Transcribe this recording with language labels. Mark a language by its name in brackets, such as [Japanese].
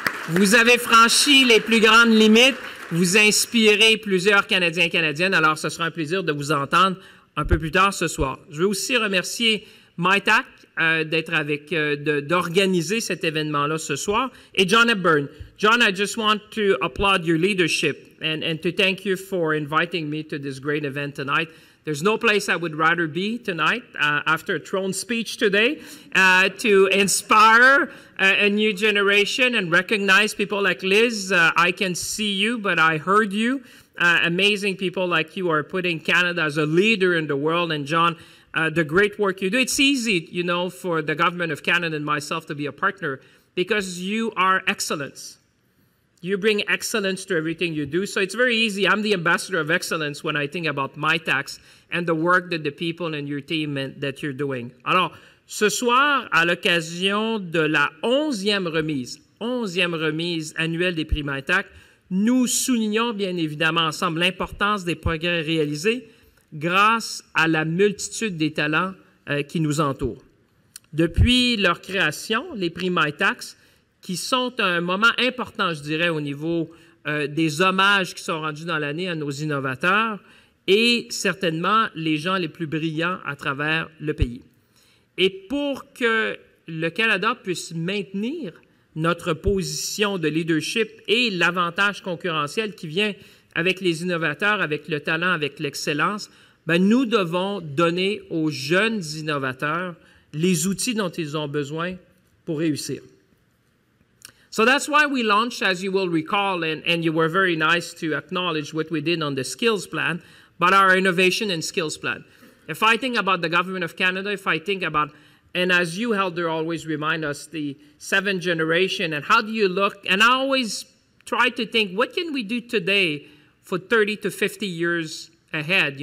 [French] Vous avez franchi les plus grandes limites, vous inspirez plusieurs Canadiens et Canadiennes, alors ce sera un plaisir de vous entendre un peu plus tard ce soir. Je veux aussi remercier MITAC d'être avec, d'organiser cet événement-là ce soir, et John Hepburn. [English] John, I just want to applaud your leadership and to thank you for inviting me to this great event tonight. There's no place I would rather be tonight after a throne speech today to inspire a new generation and recognize people like Liz. I can see you, but I heard you. Amazing people like you are putting Canada as a leader in the world, and John, the great work you do. It's easy, you know, for the government of Canada and myself to be a partner because you are excellence. You bring excellence to everything you do. So it's very easy. I'm the ambassador of excellence when I think about MITAX and the work that the people and your team that you're doing. [French] Alors, ce soir, à l'occasion de la 11e remise annuelle des prix MITAX, nous soulignons bien évidemment ensemble l'importance des progrès réalisés grâce à la multitude des talents qui nous entourent. Depuis leur création, les prix MITAX, qui sont un moment important, je dirais, au niveau des hommages qui sont rendus dans l'année à nos innovateurs et certainement les gens les plus brillants à travers le pays. Et pour que le Canada puisse maintenir notre position de leadership et l'avantage concurrentiel qui vient avec les innovateurs, avec le talent, avec l'excellence, bien, nous devons donner aux jeunes innovateurs les outils dont ils ont besoin pour réussir. [English] So that's why we launched, as you will recall, and you were very nice to acknowledge what we did on the skills plan, but our innovation and skills plan. If I think about the government of Canada, if I think about, and as you, Helder, always remind us, the seventh generation, and how do you look, and I always try to think, what can we do today for 30 to 50 years ahead?